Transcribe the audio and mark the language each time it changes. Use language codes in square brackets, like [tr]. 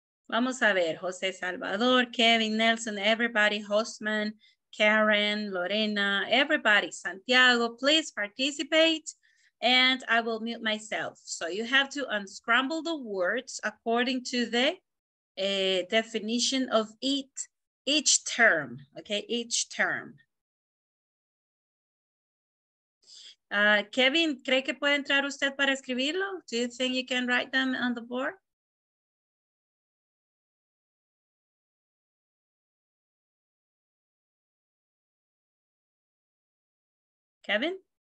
[es] Vamos a ver, [en] Jose Salvador, Kevin Nelson, everybody, Hosman, Karen, Lorena, everybody, Santiago, please participate. And I will mute myself. So you have to unscramble the words according to the definition of each term, okay, each term. [es] Kevin, ¿cree que puede entrar usted para escribirlo? [en] Do you think you can write them on the board? Kevin?